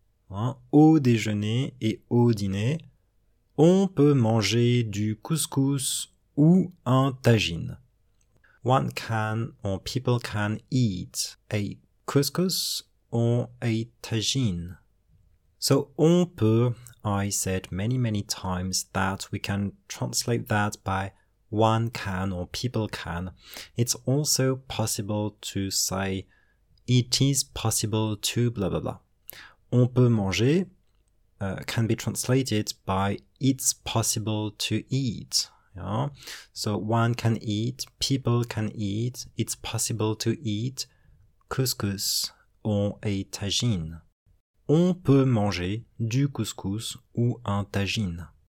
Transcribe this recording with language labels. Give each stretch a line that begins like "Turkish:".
French: hein, au déjeuner et au dîner, on peut manger du couscous ou un tagine.
English: People can eat a couscous or a tagine. So, on peut, I said many, many times that we can translate that by one can or people can. It's also possible to say it is possible to blah, blah, blah.
French: On peut manger
English: can be translated by it's possible to eat. Yeah. So one can eat, people can eat, it's possible to eat couscous or a tagine.
French: On peut manger du couscous ou un tagine.